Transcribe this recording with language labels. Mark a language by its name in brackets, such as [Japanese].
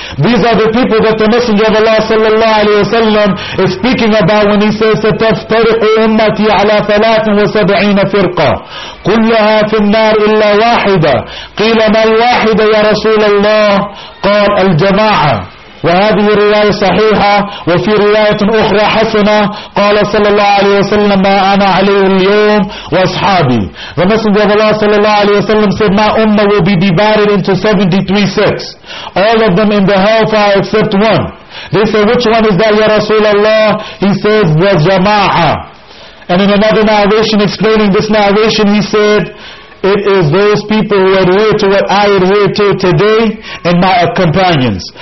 [English] These are the people that the Messenger of Allah sallallahu alayhi wa sallam is speaking about when he says, [Arabic] سَتَفْتَرِقُ أُمَّتِي عَلَى ثَلَاثٍ وَسَبْعِينَ فِرْقَةٍ كُلَّهَا فِي النَّارِ إِلَّا وَاحِدًا قِيلَ مَا الْوَاحِدَ يَا رَسُولَ اللَّهِ قَالَ الْجَمَاعَةِ. وهذه الرواية صحيحة وفي رواية أخرى حسنة قال صلى الله عليه وسلم ما أنا عليه اليوم وأصحابي. [English] The Messenger of Allah صلى الله عليه وسلم said, my ummah will be divided into 73 sects. All of them in the hellfire except one. They said, which one is that, Ya Rasulullah? He says, the Jama'ah. And in another narration explaining this narration, he said, it is those people who adhere to what I adhere to today and my companions.